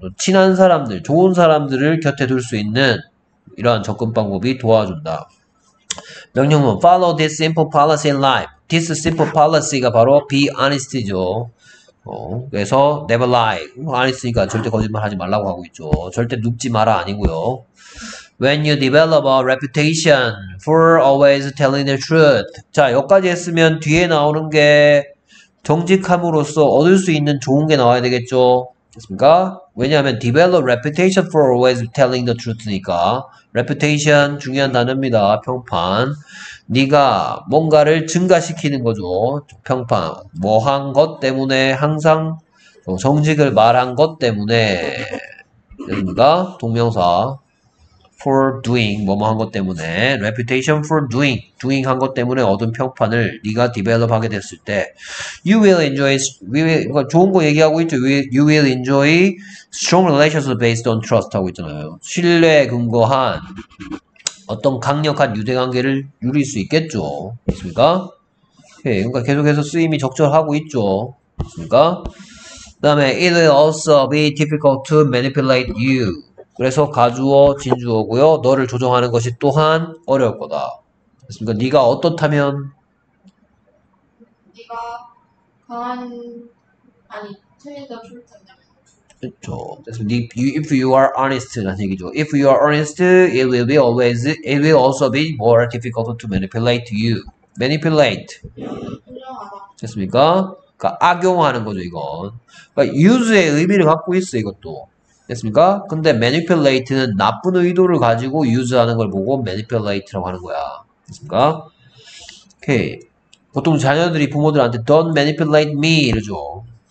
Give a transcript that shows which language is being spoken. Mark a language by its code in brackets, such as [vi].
[ko] 친한 사람들, 좋은 사람들을 곁에 둘 수 있는 이러한 접근 방법이 도와준다. [en] 명령문 follow this simple policy in life. this simple policy가 바로 be honest죠. 그래서 never lie. [ko] 안 했으니까 절대 거짓말하지 말라고 하고 있죠. 절대 눕지 마라 아니고요. [en] When you develop a reputation for always telling the truth. [ko] 자, 여기까지 했으면 뒤에 나오는 게 정직함으로써 얻을 수 있는 좋은 게 나와야 되겠죠. 됐습니까? 왜냐하면 [en] develop reputation for always telling the truth니까. [ko] reputation 중요한 단어입니다. 평판. 네가 뭔가를 증가시키는 거죠. 평판. 뭐 한 것 때문에 항상 정직을 말한 것 때문에 됩니까? 동명사 for doing 뭐뭐 한 것 때문에 reputation for doing doing 한 것 때문에 얻은 평판을 네가 develop 하게 됐을 때 [en] you will enjoy we will, [ko] 좋은 거 얘기하고 있죠. [en] you will enjoy strong relations based on trust 하고 있잖아요. [ko] 신뢰에 근거한 어떤 강력한 유대관계를 누릴 수 있겠죠. 있습니까? 예, 그러니까 계속해서 쓰임이 적절하고 있죠. 있습니까? 그 다음에 [en] it will also be difficult to manipulate you. [ko] 그래서 가주어 진주어고요. 너를 조종하는 것이 또한 어려울 거다. 그러니까 네가 어떻다면 네가 강한 아니 틀린다 풀린다. 그렇죠. 그래서 [en] if you are honest라는 얘기죠. If you are honest, it will be always it will also be more difficult to manipulate you. [ko] manipulate. 됐습니까? 그러니까 악용하는 거죠 이건. 그러니까 use의 의미를 갖고 있어 이것도. 됐습니까? 근데 manipulate는 나쁜 의도를 가지고 유즈하는 걸 보고 manipulate라고 하는 거야. 됐습니까? 오케이. 보통 자녀들이 부모들한테 [en] don't manipulate me [ko] 이러죠.